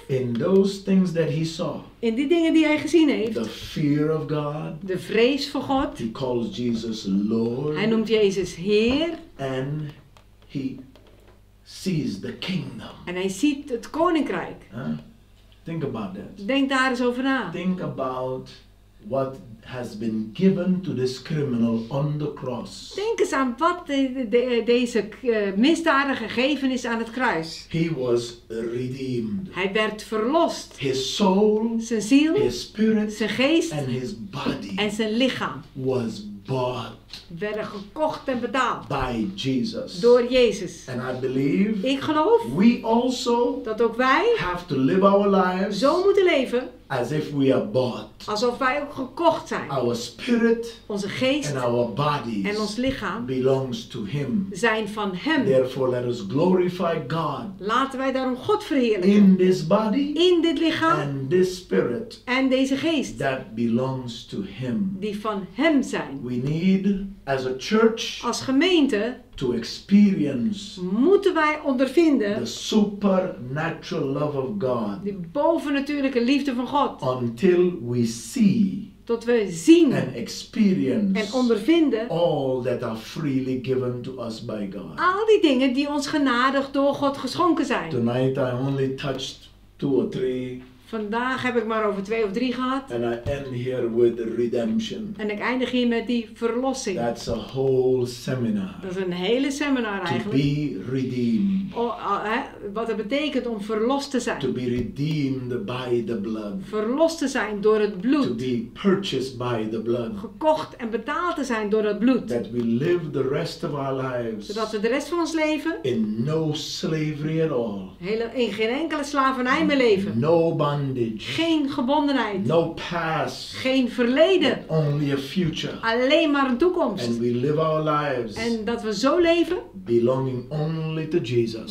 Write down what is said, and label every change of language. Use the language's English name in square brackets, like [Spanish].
[English] in those things that he saw. [Dutch] In die dingen die hij gezien heeft. [English] The fear of God. [Dutch] De vrees voor God. [English] He calls Jesus Lord. [Dutch] Hij noemt Jezus Heer. [English] And he sees the kingdom. [Dutch] En hij ziet het koninkrijk. [English] Huh? Think about that. [Dutch] Denk daar eens over na. [English] Think about what has been given to this criminal on the cross. [Dutch] Denk eens aan wat deze misdadiger gegeven is aan het kruis. [English] He was redeemed. [Dutch] Hij werd verlost. [English] His soul, [Dutch] zijn ziel, [English] his spirit, [Dutch] zijn geest, [English] and his body, [Dutch] en zijn lichaam [English] was bought. [Dutch] Werden gekocht en betaald. [English] By Jesus. [Dutch] Door Jezus. [English] And I believe [Dutch] ik geloof [English] we also [Dutch] dat ook wij [English] have to live our lives [Dutch] zo moeten leven [English] As if we are bought. [Dutch] Alsof wij ook gekocht zijn. [English] Our spirit, [Dutch] onze geest [English] and our bodies [Dutch] en ons lichaam [English] belongs to him. [Dutch] Zijn van hem. [English] Therefore, let us glorify God. [Dutch] Laten wij daarom God verheerlijken. [English] In this body, [Dutch] in dit lichaam [English] and this spirit, [Dutch] en deze geest [English] that belongs to him. [Dutch] Die van hem zijn. [English] We need, as a church, [Dutch] als gemeente [English] to experience [Dutch] moeten wij ondervinden [English] the supernatural love of God, [Dutch] die bovennatuurlijke liefde van God, [English] until we see [Dutch] tot we zien [English] and experience [Dutch] en ondervinden [English] all that are freely given to us by God. [Dutch] Al die dingen die ons genadig door God geschonken zijn. [English] Tonight I only touched two or three. [Dutch] Vandaag heb ik maar over twee of drie gehad. [English] And I end here with redemption. [Dutch] En ik eindig hier met die verlossing. [English] That's a whole seminar. [Dutch] Dat is een hele seminar eigenlijk. [English] To be redeemed. [Dutch] Wat het betekent om verlost te zijn. [English] To be redeemed by the blood. [Dutch] Verlost te zijn door het bloed. [English] To be purchased by the blood. [Dutch] Gekocht en betaald te zijn door het bloed. [English] That we live the rest of our lives. [Dutch] Zodat we de rest van ons leven. [English] In no slavery at all. [Dutch] In geen enkele slavernij meer leven. [English] No bondage. [Dutch] Geen gebondenheid. [English] No past. [Dutch] Geen verleden. [English] But only a future. [Dutch] Alleen maar een toekomst. [English] And we live our lives. [Dutch] En dat we zo leven. [English] Belonging only to Jesus.